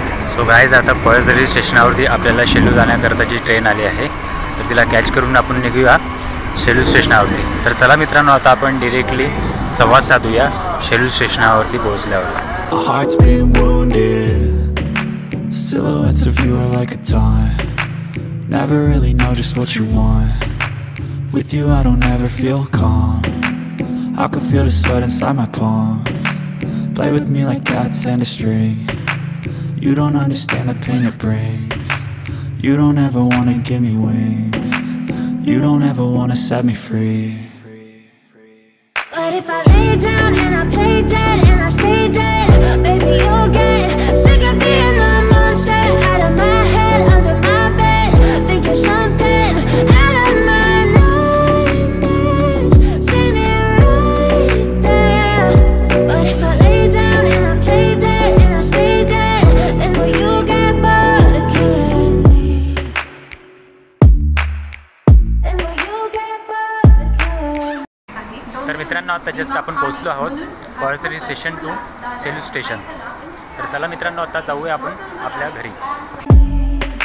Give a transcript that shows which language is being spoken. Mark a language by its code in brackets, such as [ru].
[mr] So guys आता पळसदरी स्टेशनावरती आपल्याला शेलू जाण्याकरता जी ट्रेन आली आहे तर तिला कॅच करून आपण निघूया शेलू स्टेशनावरती. तर चला मित्रांनो आता आपण डिरेक्टली संवाद साधूया शेलू स्टेशनावरती पोहोचल्यावर. [en] Heart's been wounded, silhouettes of you are like a taunt. Never really know just what you want. With you I don't ever feel calm. I can feel the sweat inside my palm. Play with me like cats and a string. You don't understand the pain it brings. You don't ever wanna give me wings. You don't ever wanna set me free. But if I lay down and I play dead and I stay dead, baby you'll get sick of being the monster. Out of my head, under my bed, thinking something out of my nightmares. Sitting right there. But if I lay down and I play dead and I stay dead, then will you get bored of killing me? Then will you get bored of killing me? [mr] आता just आपण पोहोचलो आहोत Palasdari station to Selu station. तर चला मित्रांनो आता जाऊया आपण आपल्या घरी.